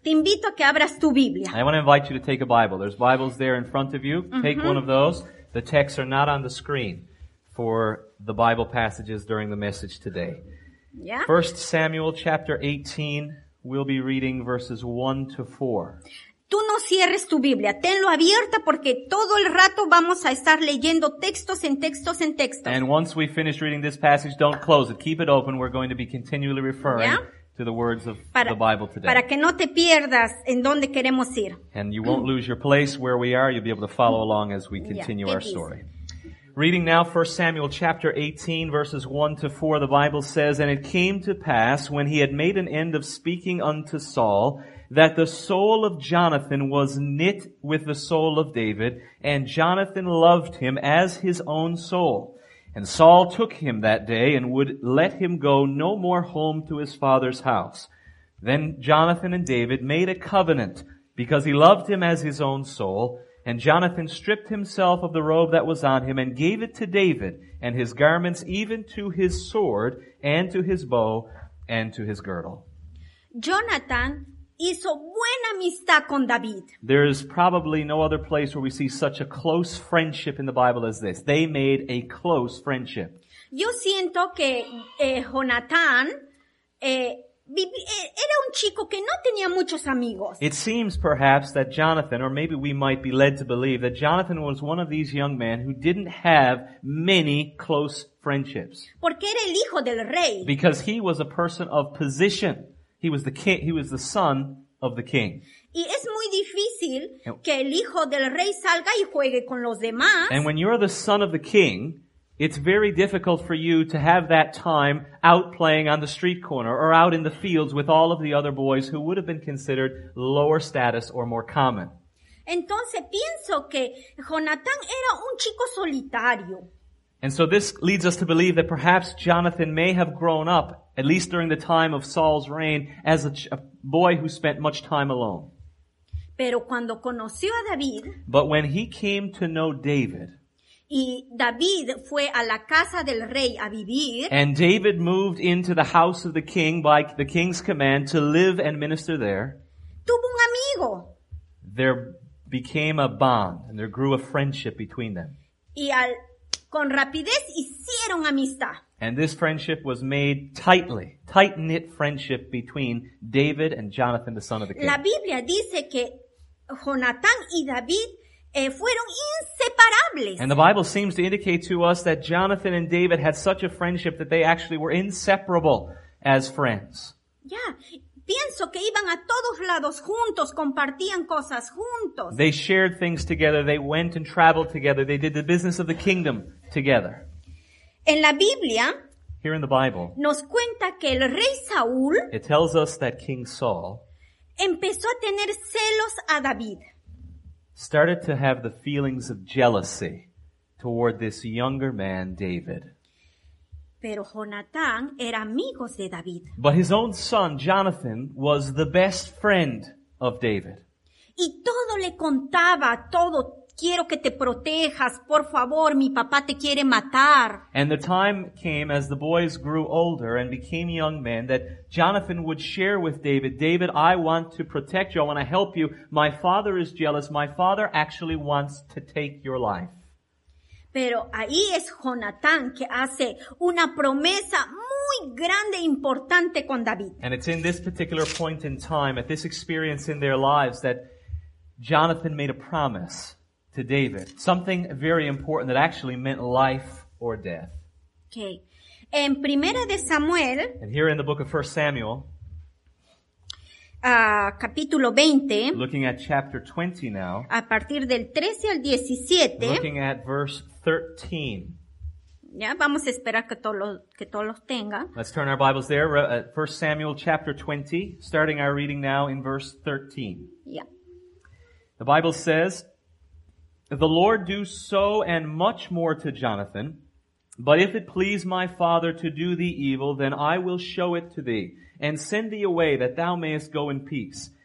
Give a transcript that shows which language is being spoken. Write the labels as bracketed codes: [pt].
[es] Te invito a que abras tu Biblia. [en] I want to invite you to take a Bible. There's Bibles there in front of you. Take one of those. The texts are not on the screen. for the Bible passages during the message today. Yeah. 1 Samuel chapter 18, we'll be reading verses 1 to 4. [es] Tú no cierres tu Biblia, tenlo abierta porque todo el rato vamos a estar leyendo textos en textos en textos. [en] And once we finish reading this passage, don't close it. Keep it open. We're going to be continually referring to the words of the Bible today. [es] Para que no te pierdas en dónde queremos ir. [en] And you won't lose your place where we are. You'll be able to follow along as we continue our story. Reading now 1 Samuel chapter 18, verses 1 to 4, the Bible says, "And it came to pass, when he had made an end of speaking unto Saul, that the soul of Jonathan was knit with the soul of David, and Jonathan loved him as his own soul. And Saul took him that day, and would let him go no more home to his father's house. Then Jonathan and David made a covenant, because he loved him as his own soul. And Jonathan stripped himself of the robe that was on him, and gave it to David, and his garments, even to his sword, and to his bow, and to his girdle." [es] Jonathan hizo buena amistad con David. [en] There is probably no other place where we see such a close friendship in the Bible as this. They made a close friendship. [es] Yo siento que Jonathan era un chico que no tenía muchos amigos. [en] It seems perhaps that Jonathan, or maybe we might be led to believe, that Jonathan was one of these young men who didn't have many close friendships. [es] Porque era el hijo del rey. [en] Because he was a person of position. He was the king, he was the son of the king. [es] Y es muy difícil que el hijo del rey salga y juegue con los demás. [en] And when you're the son of the king, it's very difficult for you to have that time out playing on the street corner or out in the fields with all of the other boys who would have been considered lower status or more common. [es] Entonces pienso que Jonathan era un chico solitario. [en] And so this leads us to believe that perhaps Jonathan may have grown up, at least during the time of Saul's reign, as a boy who spent much time alone. [es] Pero cuando conoció a David, [en] but when he came to know David, [es] y David fue a la casa del rey a vivir, [en] and David moved into the house of the king by the king's command to live and minister there, [es] tuvo un amigo. [en] There became a bond and there grew a friendship between them. [es] Y con rapidez hicieron amistad. [en] And this friendship was made tightly, tight-knit friendship between David and Jonathan, the son of the king. [es] La Biblia dice que Jonathan y David fueron inseparables. [en] And the Bible seems to indicate to us that Jonathan and David had such a friendship that they actually were inseparable as friends. Yeah. [es] Pienso que iban a todos lados juntos, compartían cosas juntos. [en] They shared things together, they went and traveled together, they did the business of the kingdom together. [es] En la Biblia, [en] here in the Bible, [es] nos cuenta que el rey Saúl, [en] it tells us that King Saul, [es] empezó a tener celos a David. [en] Started to have the feelings of jealousy toward this younger man, David. [es] Pero Jonathan era amigo de David. [en] But his own son, Jonathan, was the best friend of David. [es] Y todo le contaba, todo, quiero que te protejas, por favor, mi papá te quiere matar. [en] And the time came as the boys grew older and became young men that Jonathan would share with David, "David, I want to protect you, I want to help you. My father is jealous, my father actually wants to take your life." [es] Pero ahí es Jonathan que hace una promesa muy grande e importante con David. [en] And it's in this particular point in time, at this experience in their lives, that Jonathan made a promise to David. Something very important that actually meant life or death. [es] Okay. En Primera de Samuel. [en] And here in the book of 1 Samuel. [es] Capítulo 20. [en] Looking at chapter 20 now. [es] A partir del 13 al 17. [en] Looking at verse 13. [es] Ya, vamos a esperar que todos los tenga. [en] Let's turn our Bibles there. 1 Samuel chapter 20, starting our reading now in verse 13. Yeah. The Bible says, "The Lord do so and much more to Jonathan, but if it please my father to do thee evil, then I will show it to thee, and send thee away that thou mayest go in peace.